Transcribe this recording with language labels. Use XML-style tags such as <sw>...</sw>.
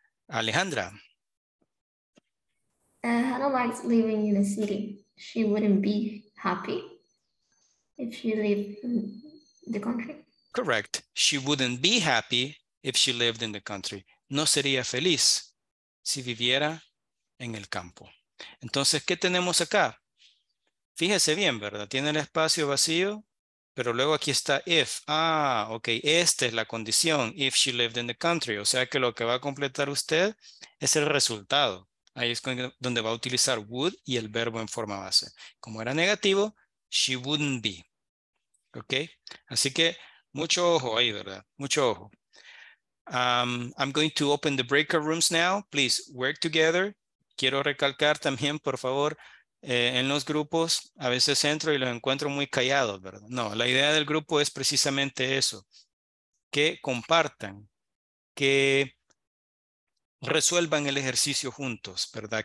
<en>Alejandra. Hannah likes living in a city. She wouldn't be happy if she lived in the country. Correct. She wouldn't be happy if she lived in the country.</en> <es>No sería feliz si viviera en el campo. Entonces, ¿qué tenemos acá? Fíjese bien, ¿verdad? Tiene el espacio vacío, pero luego aquí está if. Ah, ok, esta es la condición,</es> <en>if she lived in the country.</en> <es>O sea que lo que va a completar usted es el resultado. Ahí es donde va a utilizar would y el verbo en forma base. Como era negativo,</es> <en>she wouldn't be.</en> <es>Ok, así que mucho ojo ahí, ¿verdad? Mucho ojo.</es> <en>I'm going to open the breakout rooms now. Please work together.</en> <es>Quiero recalcar también, por favor, en los grupos, a veces entro y los encuentro muy callados, ¿verdad? No, la idea del grupo es precisamente eso, que compartan, que resuelvan el ejercicio juntos, ¿verdad?</es>